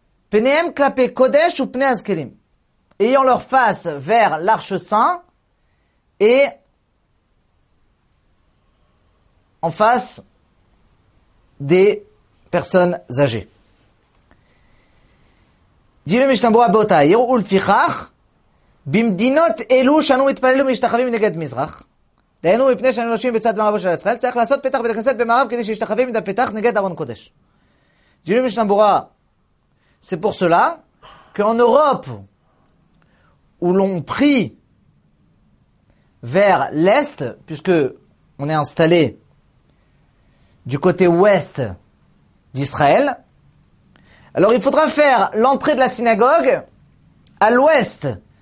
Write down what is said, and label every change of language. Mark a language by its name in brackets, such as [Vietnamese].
[Hebrew] Pneem klape kodesh ou pnei azkenim, [French] ayant leur face vers l'arche saint et en face des personnes âgées. Dit le Mishnah Berurah [Hebrew] b'otah ha'ir ulfichach. במדינות אלו שאנו מתפללים ומשתחווים נגד מזרח, דיינו מפני שאנו יושבים בצד מערבו של ישראל, צריך לעשות פתח בית הכנסת במערב כדי שישתחווים מן הפתח נגד ארון קודש. דיינו משנה ברורה, [French] c'est pour cela qu'en Europe, où l'on prie vers l'est, puisque on est installé du côté ouest d'Israël, alors il faudra faire l'entrée de la synagogue à l'ouest.